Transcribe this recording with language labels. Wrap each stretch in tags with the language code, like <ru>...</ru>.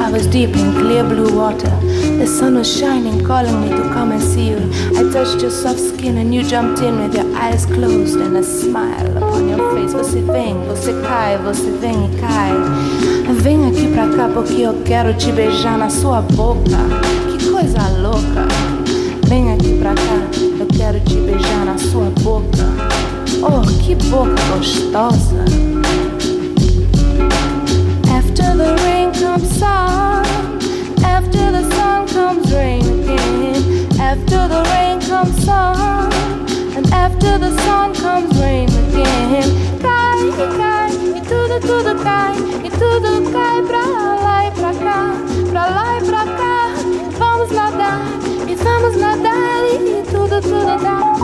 <en>Deep in clear blue water, the sun was shining, calling me to come and see you. I touched your soft skin and you jumped in with your eyes closed and a smile upon your face.</en> <pt>Você vem, você cai, você vem e cai. Vem aqui pra cá porque eu quero te beijar na sua boca. Que coisa louca. Vem aqui pra cá, eu quero te beijar na sua boca. Oh, que boca gostosa.</pt> <en>After the rain comes sun, after the sun comes rain again. After the rain comes sun, and after the sun comes rain again.</en> <pt>Cai, cai, e tudo, tudo cai, e tudo cai pra lá e pra cá, pra lá e pra cá. Vamos nadar, e vamos nadar, e tudo, tudo dá.</pt>